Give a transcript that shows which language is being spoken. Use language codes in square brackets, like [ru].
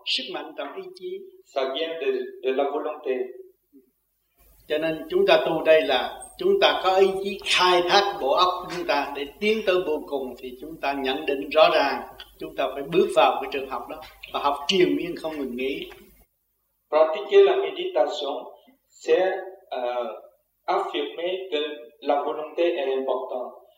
[vi] Sức mạnh trong ý chí. [fr] Ça vient de la volonté. [vi] Cho nên chúng ta tu đây là chúng ta có ý chí khai thác bộ óc chúng ta để tiến tới vô cùng, thì chúng ta nhận định rõ ràng chúng ta phải bước vào cái trường học đó và học triền miên không ngừng nghỉ. [fr] Pratiquer la méditation, c'est affirmer que la volonté est importante.